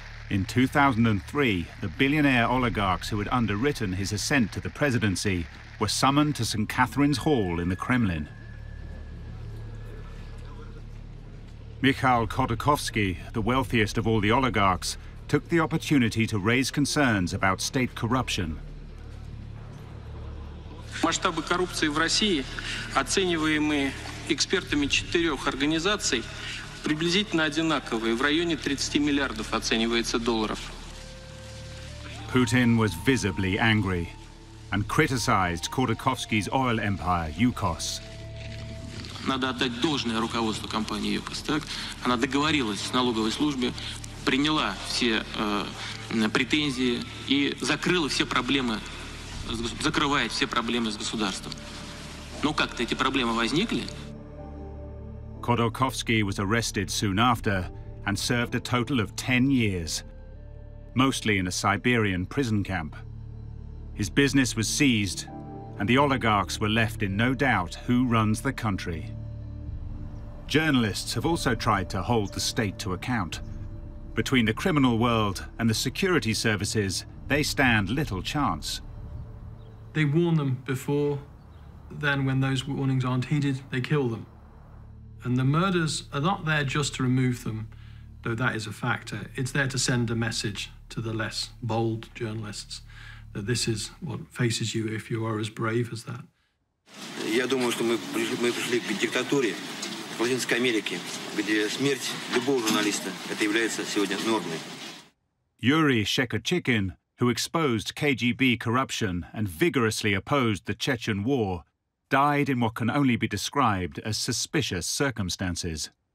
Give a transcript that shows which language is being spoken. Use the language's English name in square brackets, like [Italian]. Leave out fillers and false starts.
[English] In 2003, the billionaire oligarchs who had underwritten his ascent to the presidency were summoned to St. Catherine's Hall in the Kremlin. Mikhail Khodorkovsky, the wealthiest of all the oligarchs, took the opportunity to raise concerns about state corruption. [Russian] Масштабы коррупции в России, оцениваемые экспертами четырех организаций, приблизительно одинаковые. В районе 30 миллиардов оценивается долларов. [English] Putin was visibly angry and criticized Khodorkovsky's oil empire, Yukos. [Russian] Надо отдать должное руководству компании Yukos. Так? Она договорилась с налоговой службой, приняла все претензии и закрыла все проблемы. Закрывает все проблемы с государством. Но как-то эти проблемы возникли. [English] Khodorkovsky was arrested soon after and served a total of 10 years, mostly in a Siberian prison camp. His business was seized, and the oligarchs were left in no doubt who runs the country. Journalists have also tried to hold the state to account. Between the criminal world and the security services, they stand little chance. They warn them before, then when those warnings aren't heeded, they kill them. And the murders are not there just to remove them, though that is a factor. It's there to send a message to the less bold journalists that this is what faces you if you are as brave as that. [Russian] Я думаю, что мы пришли к диктатуре в Латинской Америке, где смерть любого журналиста это является сегодня нормой. [English] Yuri Shekhochikin, who exposed KGB corruption and vigorously opposed the Chechen War, died in what can only be described as suspicious circumstances.